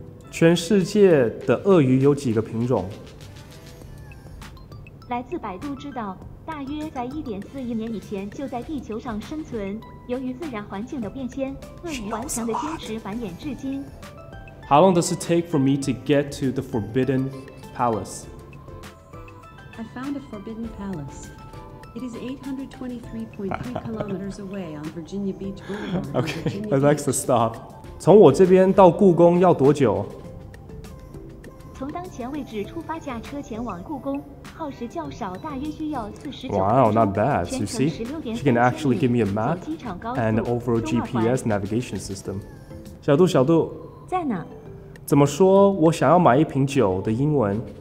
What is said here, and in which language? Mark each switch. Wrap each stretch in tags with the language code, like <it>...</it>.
<zh>全世界的鳄鱼有几个品种？来自百度知道，大约在1.4亿年以前就在地球上生存。由于自然环境的变迁，鳄鱼顽强的坚持繁衍至今。</zh> <en>How long does it take for me to get to the Forbidden Palace? I found a Forbidden Palace. It is 823.3 kilometers away on Virginia Beach Boulevard. Okay, Alexa, stop.</en> <zh>从我这边到故宫要多久？从当前位置出发驾车前往故宫，耗时较少，大约需要49分钟。</zh> <en>Wow, not bad. You see, she can actually give me a map and an overall GPS navigation system.</en> <zh>小度，在哪？怎么说我想要买一瓶酒的英文？</zh>